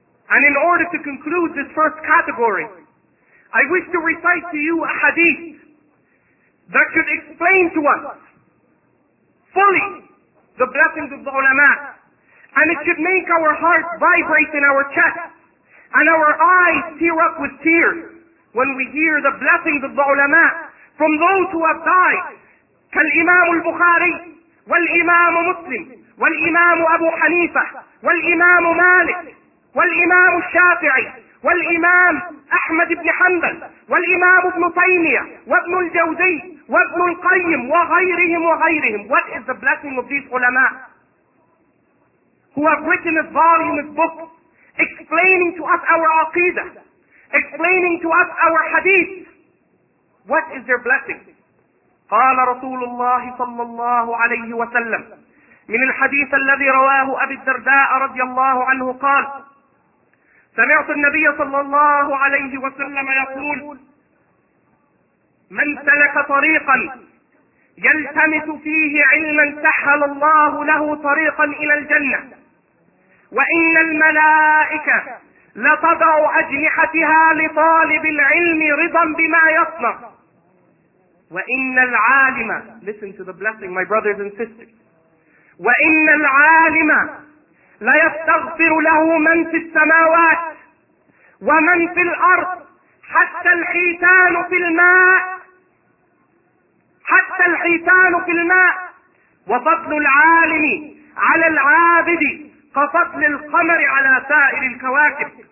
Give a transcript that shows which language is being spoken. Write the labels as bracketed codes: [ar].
[en] And in order to conclude this first category, I wish to recite to you a hadith that should explain to us fully the blessings of the ulama. And it should make our hearts vibrate in our chest and our eyes tear up with tears when we hear the blessings of the ulama from those who have died. [ar] كالإمام البخاري والإمام مسلم والإمام أبو حنيفة والإمام مالك والإمام الشافعي والإمام أحمد بن حنبل والإمام ابن تيمية وابن الجوزي وابن القيم وغيرهم وغيرهم. [en] What is the blessing of these ulama who have written a voluminous book explaining to us our aqidah, explaining to us our hadith? What is their blessing? [ar] قال رسول الله صلى الله عليه وسلم من الحديث الذي رواه أبي الدرداء رضي الله عنه قال سمعت النبي صلى الله عليه وسلم يقول من سلك طريقا يلتمس فيه علما سهل الله له طريقا إلى الجنة وإن الملائكة لتضع أجنحتها لطالب العلم رضا بما يصنع وإن العالم. [en] Listen to the blessing, my brothers and sisters. [ar] وإن العالم ليستغفر له من في السماوات ومن في الأرض حتى الحيتان في الماء حتى الحيتان في الماء. وفضل العالم على العابد كفضل القمر على سائر الكواكب.